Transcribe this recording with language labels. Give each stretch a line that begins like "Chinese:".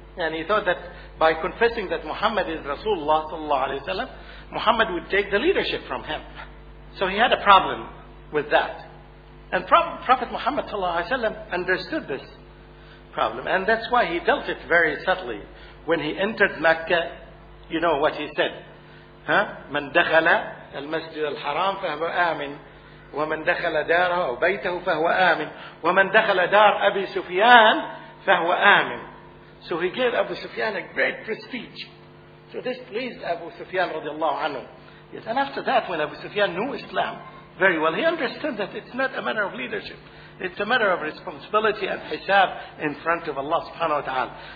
English: And he thought that by confessing that Muhammad is Rasulullah sallallahu alaihi wasallam, Muhammad would take the leadership from him. So he had a problem with that. And Prophet Muhammad sallallahu alaihi wasallam understood this problem. And that's why he dealt it very subtly. When he entered Mecca, you know what he said.
Arabic: من دخل المسجد الحرام فهو آمن ومن دخل داره أو بيته فهو آمن ومن دخل دار أبي سفيان فهو آمن.
English: So he gave Abu Sufyan a great prestige. So this pleased Abu Sufyan radiallahu anhu. Yes, and after that, when Abu Sufyan knew Islam very well, he understood that it's not a matter of leadership. It's a matter of responsibility and hisab in front of Allah subhanahu wa ta'ala.